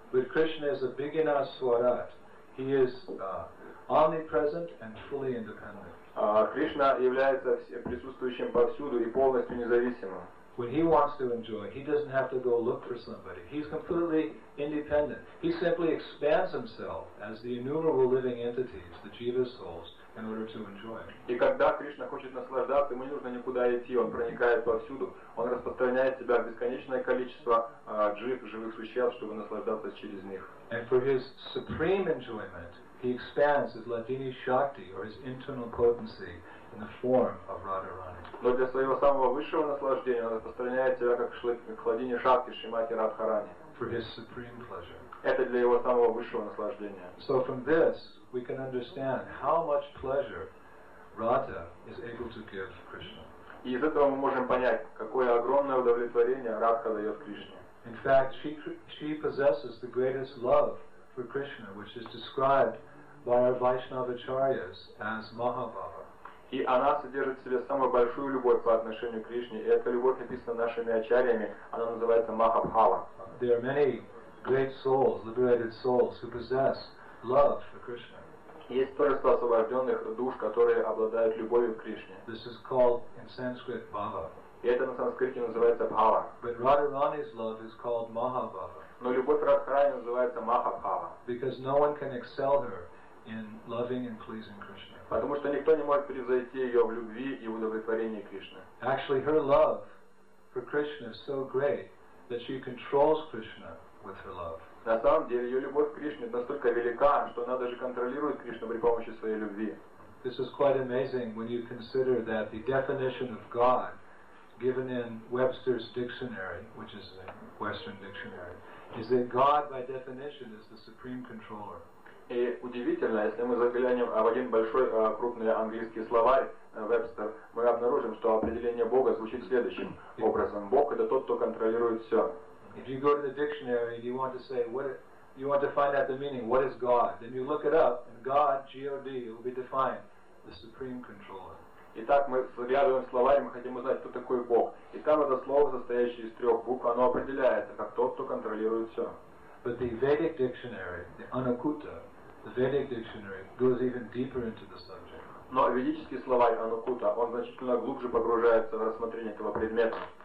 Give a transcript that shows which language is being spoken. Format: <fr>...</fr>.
<en>But Krishna is a big enough swarat. He is omnipresent and fully independent.</en> <ru>Кришна является присутствующим повсюду и полностью независимым.</ru> <en>When he wants to enjoy, he doesn't have to go look for somebody. He's completely independent. He simply expands himself as the innumerable living entities, the jiva souls, in order to enjoy.</en> <ru>И когда Кришна хочет наслаждаться, ему не нужно никуда идти. Он проникает повсюду. Он распространяет себя в бесконечное количество жив, живых существ, чтобы наслаждаться через них.</ru> <en>And for his supreme enjoyment, He expands his Ladini Shakti, or his internal potency, in the form of Radharani.</en> <ru>Но для своего самого высшего наслаждения он распространяет себя как Ладини Шакти, Шримати Радхарани.</ru> <en>For his supreme pleasure.</en> <ru>Это для его самого высшего наслаждения.</ru> <en>So from this, we can understand how much pleasure Radha is able to give Krishna.</en> <ru>И из этого мы можем понять, какое огромное удовлетворение Радха дает Кришне.</ru> <en>In fact, she possesses the greatest love for Krishna, which is described by our Vaishnava Acharyas as Mahabhava.</en> <ru>И она содержит в себе самую большую любовь по отношению к Кришне, и эта любовь описана нашими ачарьями, она называется Махабхава.</ru> <en>There are many great souls, liberated souls, who possess love for Krishna.</en> <ru>Есть множество освобожденных душ, которые обладают любовью к Кришне.</ru> <en>This is called in Sanskrit Bhava.</en> <ru>И это на санскрите называется Bhava.</ru> <en>But Radharani's love is called Mahabhava.</en> <ru>Но любовь Радхарани называется Махабхава.</ru> <en>Because no one can excel her in loving and pleasing Krishna.</en> <ru>Потому что никто не может превзойти ее в любви и удовлетворении Кришны.</ru> <en>Actually, her love for Krishna is so great that she controls Krishna with her love.</en> <ru>На самом деле, ее любовь к Кришне настолько велика, что она даже контролирует Кришну при помощи своей любви.</ru> <en>This is quite amazing when you consider that the definition of God, given in Webster's dictionary, which is a Western dictionary, is that God, by definition, is the supreme controller.</en> <ru>И удивительно, если мы заглянем в один большой, крупный английский словарь Вебстер, мы обнаружим, что определение Бога звучит следующим образом. Бог — это тот, кто контролирует все.</ru> <en>If you go to the dictionary and you want to say what it, you want to find out the meaning, what is God, then you look it up and God, G-O-D, will be defined the supreme controller.</en> <ru>Итак, мы заглядываем в словарь, мы хотим узнать, кто такой Бог. И там это слово, состоящее из трех букв, оно определяется как тот, кто контролирует все.</ru> <en>But the Vedic dictionary, the Anukuta, the Vedic dictionary goes even deeper into the subject.</en> <ru>Но ведический словарь Anukuta, он значительно глубже погружается в рассмотрение этого предмета.</ru>